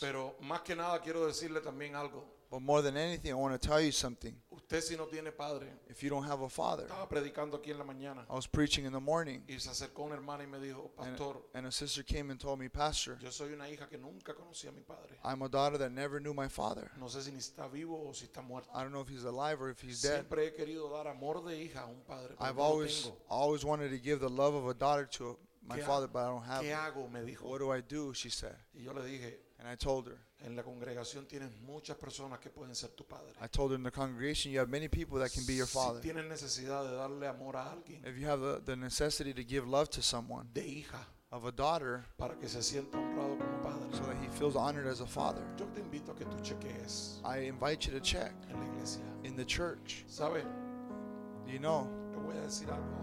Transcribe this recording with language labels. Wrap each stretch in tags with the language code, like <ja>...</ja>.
<es>Pero más que nada quiero decirle también algo.</es> <en>But more than anything, I want to tell you something.</en> <es>Usted si no tiene padre,</es> <en>if you don't have a father,</en> <es>estaba predicando aquí en la mañana,</es> <en>I was preaching in the morning.</en> <es>Y se acercó una hermana y me dijo, Pastor,</es> <en>and a sister came and told me, Pastor,</en> <es>yo soy una hija que nunca conocí a mi padre.</es> <en>I'm a daughter that never knew my father.</en> <es>No sé si ni está vivo o si está muerto.</es> <en>I don't know if he's alive or if he's</en> <es>siempre</es> <en>dead.</en> <es>Siempre he querido dar amor de hija a un padre, pero</es> <en>I've always,</en> <es>tengo.</es> <en>Always wanted to give the love of a daughter to my father, but I don't have</en> <es>it. ¿Qué hago? Me dijo.</es> <en>What do I do? She said.</en> <es>Y yo le dije,</es> <en>and I told her,</en> <es>en la congregación tienes muchas personas que pueden ser tu padre.</es> <en>I told her in the congregation you have many people that can be your father.</en> <es>Si tienes necesidad de darle amor a alguien,</es> <en>if you have the necessity to give love to someone,</en> <es>de hija,</es> <en>of a daughter,</en> <es>para que se sienta honrado como padre,</es> <en>so that he feels honored as a father,</en> <es>yo te invito a que tú chequees.</es> <en>I invite you to check</en> <es>en la iglesia,</es> <en>in the church.</en> <es>¿Sabe?</es> <en>You know,</en> <es>te voy a decir algo.</es>